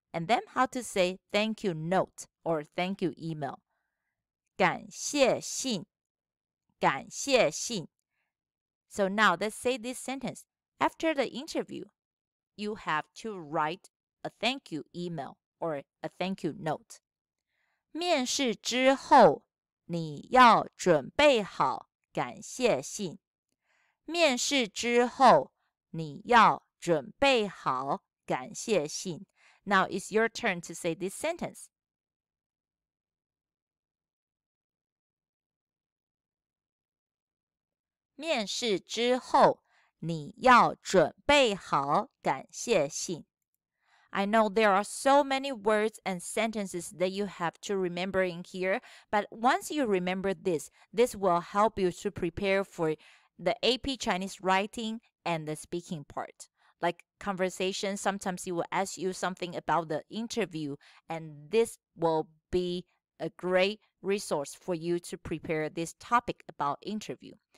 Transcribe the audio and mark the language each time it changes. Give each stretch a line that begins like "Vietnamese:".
English: And then how to say thank you note or thank you email?
Chinese: 感谢信，感谢信。
English: So now let's say this sentence. After the interview, you have to write a thank you email or a thank you note.
Chinese: 面试之后，你要准备好感谢信。面试之后，你要准备好感谢信。
English: Now it's your turn to say this sentence.
Chinese: 面试之后，你要准备好感谢信。
English: I know there are so many words and sentences that you have to remember in here, but once you remember this, this will help you to prepare for the AP Chinese writing and the speaking part. Like conversation, sometimes he will ask you something about the interview, and this will be a great resource for you to prepare this topic about interview.